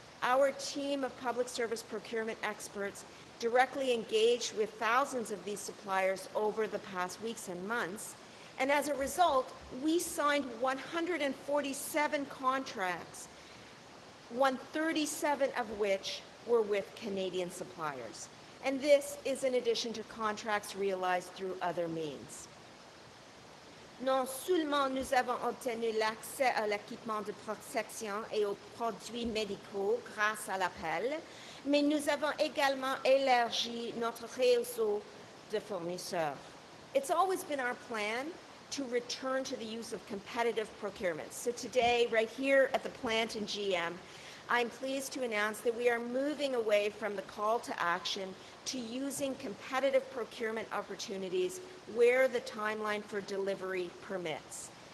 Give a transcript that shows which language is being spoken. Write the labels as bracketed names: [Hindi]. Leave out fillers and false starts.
[English] Our team of public service procurement experts directly engaged with thousands of these suppliers over the past weeks and months. And as a result, we signed 147 contracts, 137 of which were with Canadian suppliers. And this is in addition to contracts realized through other means. [French] Non seulement nous avons obtenu l'accès à l'équipement de protection et aux produits médicaux grâce à l'appel, mais nous avons également élargi notre réseau de fournisseurs. [English] It's always been our plan to return to the use of competitive procurement. So today, right here at the plant in GM, I'm pleased to announce that we are moving away from the call to action to using competitive procurement opportunities where the timeline for delivery permits.